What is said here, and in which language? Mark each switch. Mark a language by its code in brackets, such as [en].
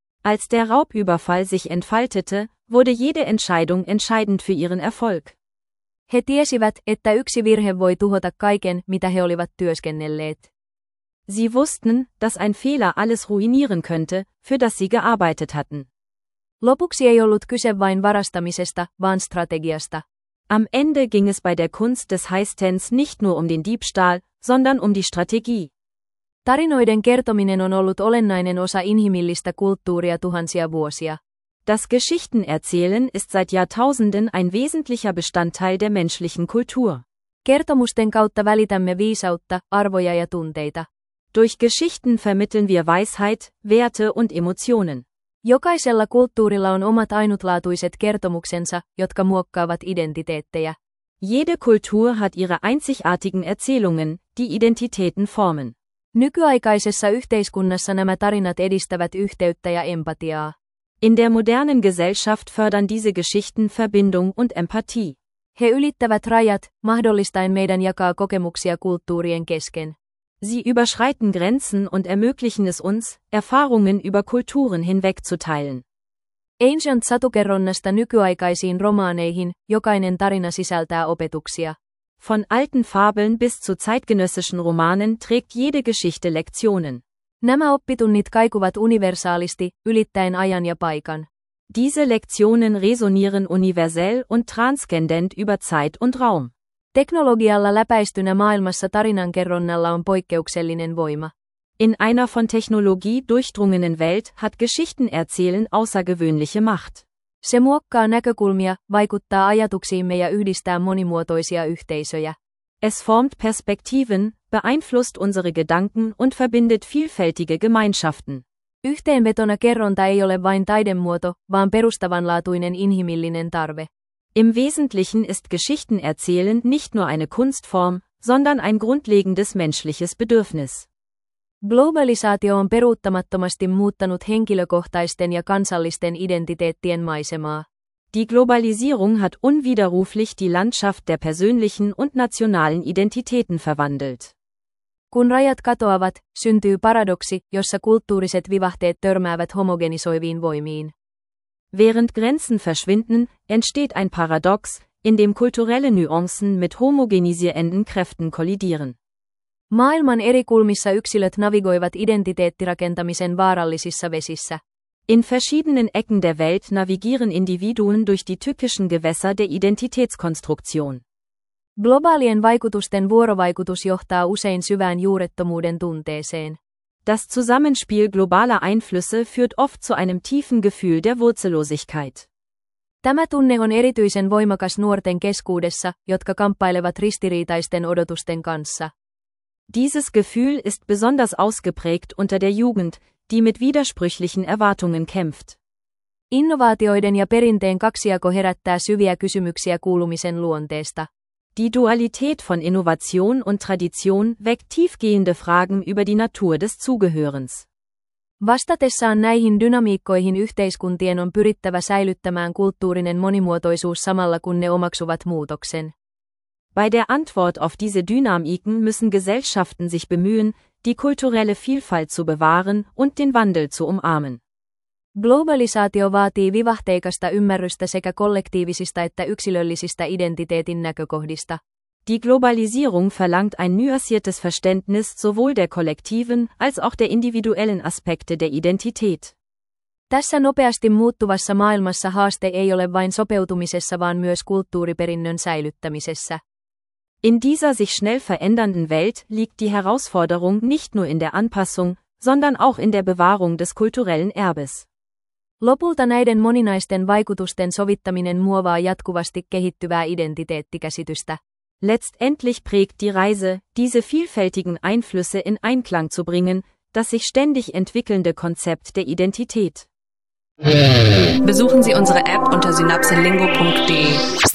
[de] Als der Raubüberfall sich entfaltete, wurde jede Entscheidung entscheidend für ihren Erfolg. [fi] He tiesivät, että yksi virhe voi tuhota kaiken, mitä he olivat työskennelleet. [de] Sie wussten, dass ein Fehler alles ruinieren könnte, für das sie gearbeitet hatten. [fi] Lopuksi ei ollut kyse vain varastamisesta, vaan strategiasta. [de] Am Ende ging es bei der Kunst des Heistens nicht nur um den Diebstahl, sondern um die Strategie. [fi] Tarinoiden kertominen on ollut olennainen osa inhimillistä kulttuuria tuhansia vuosia. [de] Das Geschichtenerzählen ist seit Jahrtausenden ein wesentlicher Bestandteil der menschlichen Kultur. [fi] Kertomusten kautta välitämme viisautta, arvoja ja tunteita. [de] Durch Geschichten vermitteln wir Weisheit, Werte und Emotionen. [fi] Jokaisella kulttuurilla on omat ainutlaatuiset kertomuksensa, jotka muokkaavat identiteettejä. [de] Jede Kultur hat ihre einzigartigen Erzählungen, die Identitäten formen. [fi] Nykyaikaisessa yhteiskunnassa nämä tarinat edistävät yhteyttä ja empatiaa. [de] In der modernen Gesellschaft fördern diese Geschichten Verbindung und Empathie. [fi] He ylittävät rajat, mahdollistaen meidän jakaa kokemuksia kulttuurien kesken. [de] Sie überschreiten Grenzen und ermöglichen es uns, Erfahrungen über Kulturen hinwegzuteilen. [en] Ancient [fi] satukerronnasta nykyaikaisiin romaaneihin, jokainen tarina sisältää opetuksia. [de] Von alten Fabeln bis zu zeitgenössischen Romanen trägt jede Geschichte Lektionen. [fi] Nämä oppitunnit kaikuvat universaalisti, ylittäen ajan ja paikan. [de] Diese Lektionen resonieren universell und transzendent über Zeit und Raum. [fi] Teknologialla läpäistynä maailmassa tarinankerronnalla on poikkeuksellinen voima. [de] In einer von Technologie durchdrungenen Welt hat Geschichtenerzählen außergewöhnliche Macht. [fi] Se muokkaa näkökulmia, vaikuttaa ajatuksiimme ja yhdistää monimuotoisia yhteisöjä. [de] Es formt Perspektiven, beeinflusst unsere Gedanken und verbindet vielfältige Gemeinschaften. [fi] Yhteenvetona kerronta ei ole vain taidemuoto, vaan perustavanlaatuinen inhimillinen tarve. [de] Im Wesentlichen ist Geschichtenerzählen nicht nur eine Kunstform, sondern ein grundlegendes menschliches Bedürfnis. [fi] Globalisaatio on peruuttamattomasti muuttanut henkilökohtaisten ja kansallisten identiteettien maisemaa. [de] Die Globalisierung hat unwiderruflich die Landschaft der persönlichen und nationalen Identitäten verwandelt. [fi] Kun rajat katoavat, syntyy paradoksi, jossa kulttuuriset vivahteet törmäävät homogenisoiviin voimiin. [de] Während Grenzen verschwinden, entsteht ein Paradox, in dem kulturelle Nuancen mit homogenisierenden Kräften kollidieren. [fi] Maailman eri kulmissa yksilöt navigoivat identiteettirakentamisen vaarallisissa vesissä. [de] In verschiedenen Ecken der Welt navigieren Individuen durch die tückischen Gewässer der Identitätskonstruktion. [fi] Globaalien vaikutusten vuorovaikutus johtaa usein syvään juurettomuuden tunteeseen. [de] Das Zusammenspiel globaler Einflüsse führt oft zu einem tiefen Gefühl der Wurzellosigkeit. [fi] Tämä tunne on erityisen voimakas nuorten keskuudessa, jotka kamppailevat ristiriitaisten odotusten kanssa. [de] Dieses Gefühl ist besonders ausgeprägt unter der Jugend, die mit widersprüchlichen Erwartungen kämpft. [fi] Innovaatioiden ja perinteen kaksijako herättää syviä kysymyksiä kuulumisen luonteesta. [de] Die Dualität von Innovation und Tradition weckt tiefgehende Fragen über die Natur des Zugehörens. [fi] Vastatessaan näihin dynamiikkoihin yhteiskuntien on pyrittävä säilyttämään kulttuurinen monimuotoisuus samalla kun ne omaksuvat muutoksen. [de] Bei der Antwort auf diese Dynamiken müssen Gesellschaften sich bemühen, die kulturelle Vielfalt zu bewahren und den Wandel zu umarmen. [fi] Globalisaatio vaatii vivahteikasta ymmärrystä sekä kollektiivisista että yksilöllisistä identiteetin näkökohdista. [de] Die Globalisierung verlangt ein nuanciertes Verständnis sowohl der kollektiven als auch der individuellen Aspekte der Identität. [fi] Tässä nopeasti muuttuvassa maailmassa haaste ei ole vain sopeutumisessa, vaan myös kulttuuriperinnön säilyttämisessä. [de] In dieser sich schnell verändernden Welt liegt die Herausforderung nicht nur in der Anpassung, sondern auch in der Bewahrung des kulturellen Erbes. [fi] Lopulta näiden moninaisten vaikutusten sovittaminen muovaa jatkuvasti kehittyvää identiteettikäsitystä. [de] Letztendlich prägt die Reise, diese vielfältigen Einflüsse in Einklang zu bringen, das sich ständig entwickelnde Konzept der Identität. Besuchen Sie unsere App unter synapsenlingo.de.